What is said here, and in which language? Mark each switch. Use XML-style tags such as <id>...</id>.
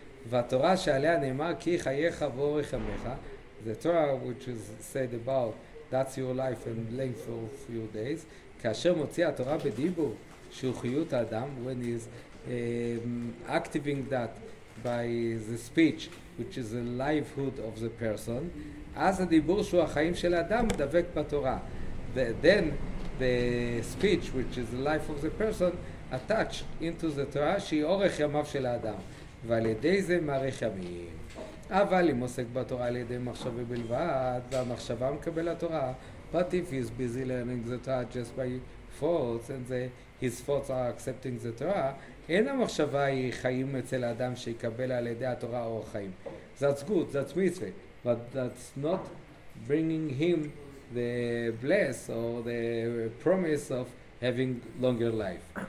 <he>והתורה שעליה נאמר כי חייך ואורך ימיך,</he> <en>the Torah which is said about that's your life and length of your days,</en> <he>כאשר מוציא התורה בדיבור שהוא חיות האדם,</he> <en>when he is activating that by the speech which is the livelihood of the person,</en> <he>אז הדיבור שהוא החיים של האדם דבק בתורה.</he> <en>Then the speech, which is the life of the person, attached into the Torah,</en> <he>שהיא אורך ימיו של האדם. ועל ידי זה מאריך ימים. אבל אם עוסק בתורה על ידי מחשבה בלבד, והמחשבה מקבל התורה,</he> <en>but if he's busy learning the Torah</en> <he>just by thoughts, and his thoughts are accepting the Torah, אין המחשבה היא חיים אצל האדם שיקבל על ידי התורה אורך חיים.</he> <en>That's good, that's mitzvah. But that's not bringing him the bless or the promise of having longer life.</en>